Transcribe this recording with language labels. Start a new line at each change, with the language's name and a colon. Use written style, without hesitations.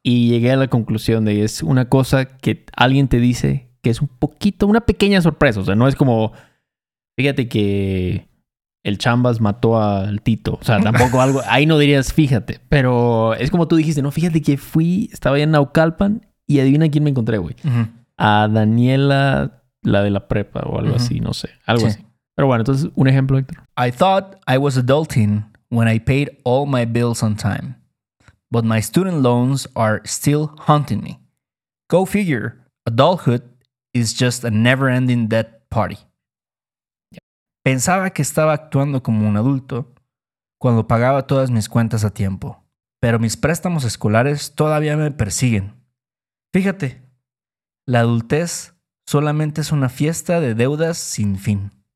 Spanish: Y llegué a la conclusión de que es una cosa que alguien te dice que es un poquito, una pequeña sorpresa. O sea, no es como, fíjate que el Chambas mató al Tito. O sea, tampoco algo, ahí no dirías fíjate. Pero es como tú dijiste, no, fíjate que fui, estaba allá en Naucalpan y adivina quién me encontré, güey. Uh-huh. A Daniela, la de la prepa o algo, uh-huh, así, no sé, algo, sí, así. Pero bueno, entonces, un ejemplo, Héctor.
English: I thought I was adulting when I paid all my bills on time. But my student loans are still haunting me. Go figure. Adulthood is just a never-ending debt party. Yeah.
Spanish: Pensaba que estaba actuando como un adulto cuando pagaba todas mis cuentas a tiempo. Pero mis préstamos escolares todavía me persiguen. Fíjate, la adultez solamente es una fiesta de deudas sin fin.